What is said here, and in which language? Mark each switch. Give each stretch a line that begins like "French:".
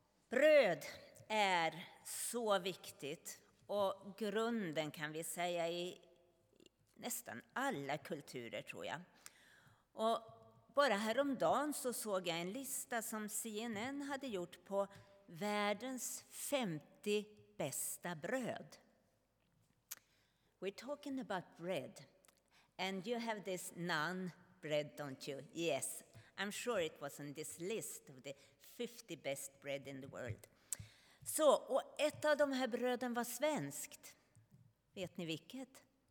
Swedish: Bröd är så viktigt, och grunden kan vi säga i nästan alla kulturer, tror jag. Och bara häromdagen så såg jag en lista som CNN hade gjort på världens 50 bästa bröd.
English: We're talking about bread, and you have this naan bread, don't you? Yes, I'm sure it was on this list of the 50 best bread in the world.
Swedish: Så, och ett av de här bröden var svenskt. Vet ni vilket?